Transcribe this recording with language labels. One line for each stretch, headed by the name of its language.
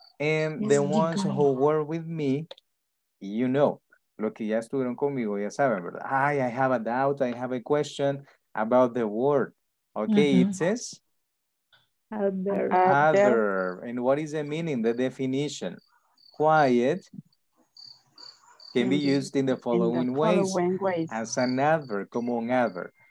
English: And the ones who were with me, you know.
Spanish: Lo que ya estuvieron conmigo, ya saben, ¿verdad?
English: I have a doubt, I have a question about the word. Okay, mm-hmm. It says? Adverb. And what is the meaning, the definition? Quiet. can be used in the following ways. As an adverb,
Spanish: como un adverb.